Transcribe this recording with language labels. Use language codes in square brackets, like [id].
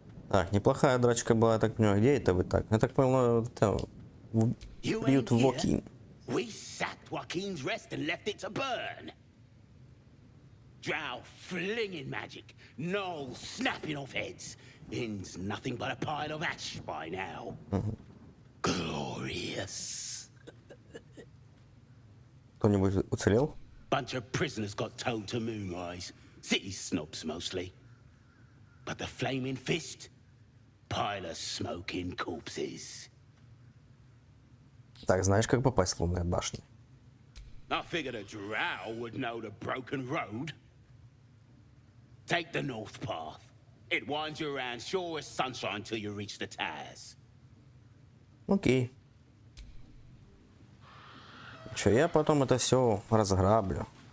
[ru] Так, неплохая драчка была, так понимаю. Где это вы так? Я так понял, это бьют Joaquin. [en] We sacked Joaquin's rest and left it to burn. Drow flinging magic. Gnoll snapping off heads. Inns nothing but a pile of ash by now. Glorious. [ru] Кто-нибудь уцелел? [en] Bunch of prisoners got towed to Moonrise. City snobs mostly. But the flaming fist? Pile of smoking corpses. [ru] Так, знаешь, как попасть в лунные башни? [en] I figured a drow would know the broken road. Take the north path. It winds you around sure as sunshine till you reach the Taz. [ru] Окей. Че, я потом это все разграблю.